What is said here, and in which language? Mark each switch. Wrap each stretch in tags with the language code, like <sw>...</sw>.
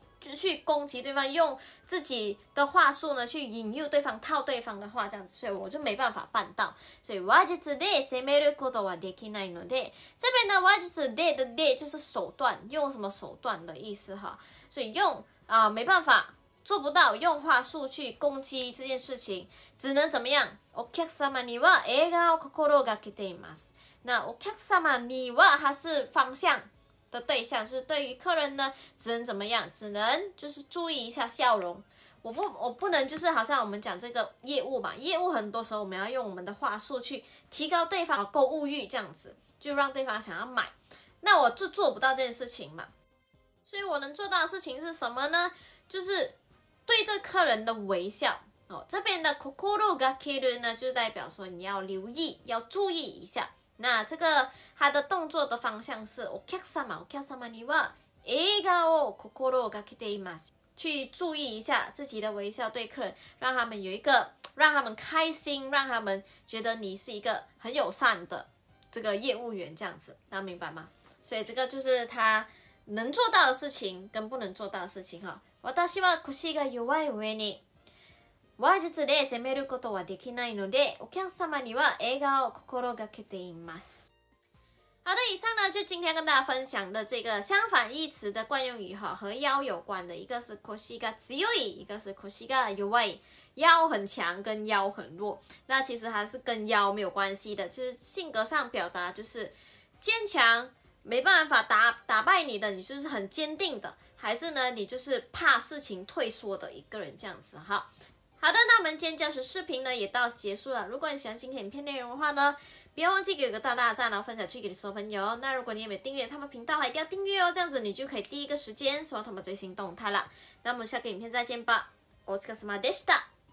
<zh>就去攻击对方，用自己的话术呢去引诱对方，套对方的话这样子，所以我就没办法办到。所以</zh> <ja>話術で攻めることはできないので，</ja> <zh>这边呢話術で的で就是手段，用什么手段的意思哈。所以用没办法做不到，用话术去攻击这件事情，只能怎么样？</zh> <ja>お客様には笑顔を心がけています。</ja> <zh>那お客様には它是方向的对象，就是对于客人呢只能怎么样，只能就是注意一下笑容。我不能就是好像我们讲这个业务嘛，业务很多时候我们要用我们的话术去提高对方购物欲这样子，就让对方想要买。那我就做不到这件事情嘛。所以我能做到的事情是什么呢？就是对这客人的微笑。哦，这边的 kokoro ga kiru 呢，就代表说你要留意，要注意一下。那这个他的动作的方向是</zh> <ja>お客様、お客様には笑顔を心がけています。</ja> <zh>去注意一下自己的微笑对客人，让他们有一个让他们开心，让他们觉得你是一个很友善的这个业务员，这样子，那明白吗？所以这个就是他能做到的事情跟不能做到的事情哈。</zh> <ja>私は腰が弱い上に話術で攻めることはできないので、お客様には笑顔を心がけています。</ja> <zh>好的，以上呢就今天跟大家分享的这个相反义词的惯用语哈，和腰有关的，一个是腰が強い，一个是腰が弱い，腰很强跟腰很弱，那其实还是跟腰没有关系的，就是性格上表达就是坚强，没办法打败你的，你就是很坚定的，还是呢你就是怕事情退缩的一个人，这样子哈。好的，那我们今天教学视频呢也到结束了。如果你喜欢今天影片内容的话呢，不要忘记给个大大的赞，然后分享去给你所有朋友。那如果你也没订阅他们频道，还一定要订阅哦，这样子你就可以第一个时间收到他们最新动态了。那我们下个影片再见吧，</zh> <ja>お疲れ様でした。</ja>